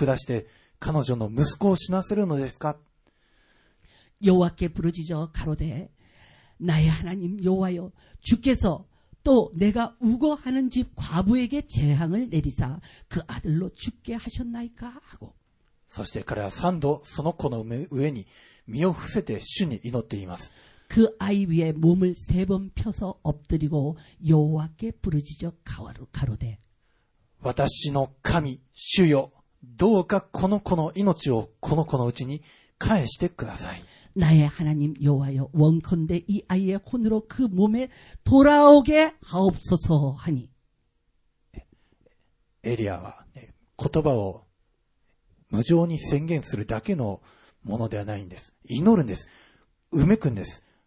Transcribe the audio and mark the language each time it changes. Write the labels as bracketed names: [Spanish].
[Japanese] 私の神主よ私を世話してくれたこのヤモメにさえも災いを下して彼女の息子を死なせるのですか。 [Korean] 여호와께 부르짖어 가로되 나의 하나님 여호와여 주께서 또 내가 우거하는 집 과부에게 재앙을 내리사 그 아들로 죽게 하셨나이까 하고 [Japanese] そして彼は三度その子の上に身を伏せて主に祈っています。 [Korean] 그 아이 위에 몸을 세 번 펴서 엎드리고 여호와께 부르짖어 가로되 [Japanese] 私の神主よどうかこの子の命をこの子のうちに返してください。 [Korean] 나의 하나님 여호와여 원컨대 이 아이의 혼으로 그 몸에 돌아오게 하옵소서 하니 [Japanese] 엘리야와 言葉を [Korean] 무조건 [Japanese] 宣言するだけの ものではないんです。祈るんです。埋めくんです。